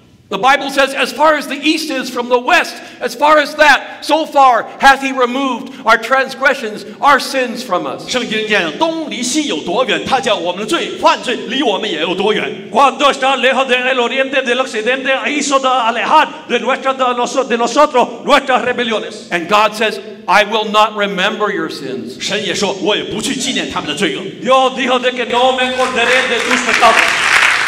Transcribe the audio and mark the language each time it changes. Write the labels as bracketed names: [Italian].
[English] The Bible says, as far as the east is from the west, as far as that, so far hath he removed our transgressions, our sins from us. [Chinese] 圣经讲东离西有多远，他叫我们的罪犯罪离我们也有多远。 [Spanish] Cuando está lejos del oriente del occidente, hizo de alejar de nosotros nuestras rebeliones. [English] And God says, I will not remember your sins. [Chinese] 神也说，我也不去纪念他们的罪恶。 [Spanish] Yo dijo de que no me acordaré de tus pecados.